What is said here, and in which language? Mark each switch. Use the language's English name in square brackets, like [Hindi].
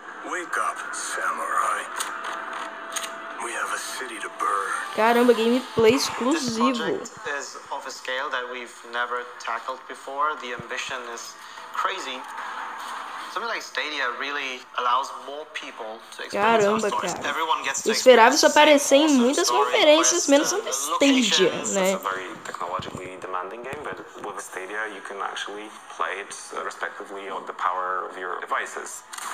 [English] Wake up, samurai. We have a city to burn. [Portuguese] Caramba, gameplay exclusivo. [English] This project is of a scale that we've never tackled before. The ambition is crazy. Something like Stadia really allows more people to experience the story. Everyone gets to experience. [Portuguese] Esperava isso aparecer em muitas conferências, menos no Stadia, né? [English] It's a very technologically demanding game, but with Stadia you can actually play it respectively of the power of your devices.